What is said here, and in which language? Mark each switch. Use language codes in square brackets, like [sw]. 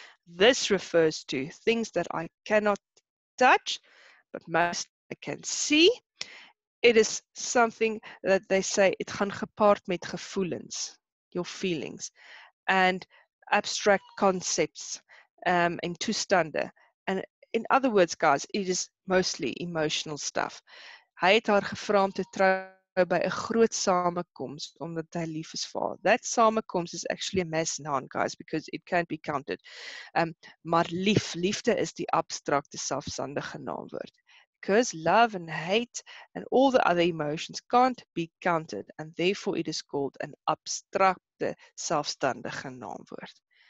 [en] This refers to things that I cannot touch, but most I can see. It is something that they say, it [af] gaan gepaard met gevoelens, [en] your feelings, and abstract concepts and toestande. And in other words, guys, it is mostly emotional stuff. [af] Hy het haar gevra om te trou by 'n groot samekoms, omdat hy lief is vir haar. [en] That samekoms is actually a mass noun, guys, because it can't be counted. [af] Maar lief, liefde is die abstracte selfstandige naamwoord. [en] Because love and hate and all the other emotions can't be counted, and therefore it is called an abstracte selfstandige naamwoord.